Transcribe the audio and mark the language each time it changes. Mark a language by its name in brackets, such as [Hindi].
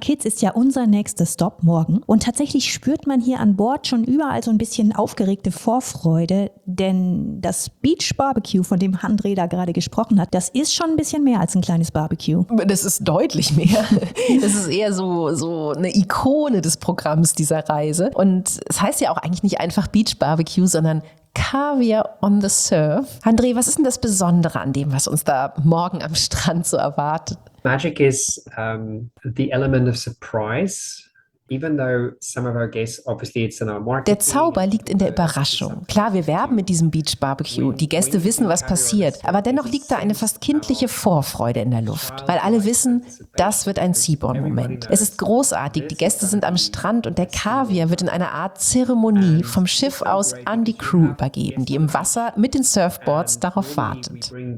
[German] Kitts ist ja unser nächster Stop morgen. Und tatsächlich spürt man hier an Bord schon überall so ein bisschen aufgeregte Vorfreude, denn das Beach-Barbecue, von dem Handre da gerade gesprochen hat, das ist schon ein bisschen mehr als ein kleines Barbecue. Das ist deutlich mehr. Das ist eher so eine Ikone des Programms dieser Reise. Und es heißt ja auch eigentlich nicht einfach Beach-Barbecue, sondern Caviar on the Surf. Handre, was ist denn das Besondere an dem, was uns da morgen am Strand so erwartet? [English] Magic is the element of surprise [German] Der Zauber liegt in der Überraschung. Klar, wir werben mit diesem Beach Barbecue. Die Gäste wissen, was passiert. Aber dennoch liegt da eine fast kindliche Vorfreude in der Luft. Weil alle wissen, das wird ein Seaborn-Moment. Es ist großartig. Die Gäste sind am Strand und der Kaviar wird in einer Art Zeremonie vom Schiff aus an die Crew übergeben, die im Wasser mit den Surfboards darauf wartet.